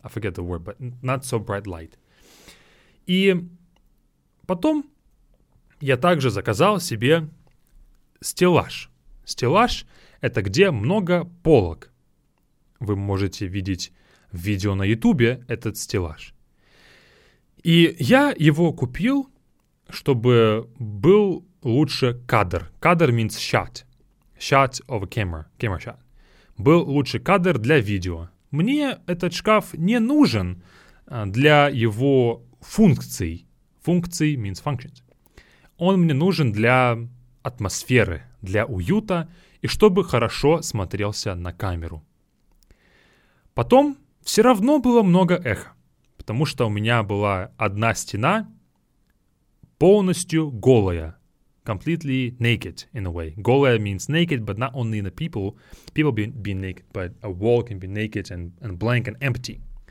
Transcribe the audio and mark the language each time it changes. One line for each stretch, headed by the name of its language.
English: I forget the word, but not so bright light.
Russian: И потом я также заказал себе стеллаж. Стеллаж — это где много полок. Вы можете видеть в видео на Ютубе этот стеллаж. И я его купил, чтобы был лучше кадр.
English: Кадр means shot. Shot of a camera. Camera shot.
Russian: Был лучше кадр для видео. Мне этот шкаф не нужен для его функций.
English: Функций means functions.
Russian: Он мне нужен для атмосферы, для уюта и чтобы хорошо смотрелся на камеру. Потом все равно было много эхо, потому что у меня была одна стена полностью голая.
English: Completely naked, in a way. Голая means naked, but not only the people. People be naked, but a wall can be naked and blank and empty.